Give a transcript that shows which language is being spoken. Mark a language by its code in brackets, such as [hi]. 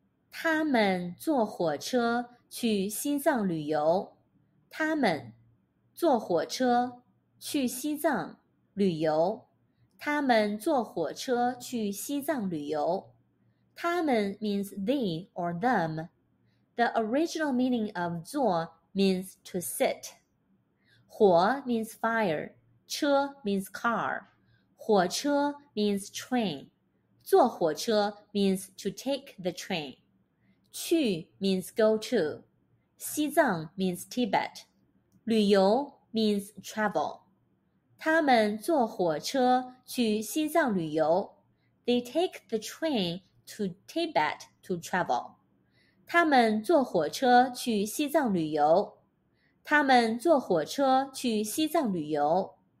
[zh] 他们坐火车去西藏旅游。他们坐火车去西藏旅游。他们坐火车去西藏旅游。 [en] 他们 means they or them. The original meaning of 坐 means to sit. 火 means fire. 车 means car. 火车 means train. 坐火车 means to take the train. 去 means go to. 西藏 means Tibet. 旅游 means travel. [zh] 他们坐火车去西藏旅游。 [en] They take the train to Tibet to travel. [zh] 他们坐火车去西藏旅游。他们坐火车去西藏旅游。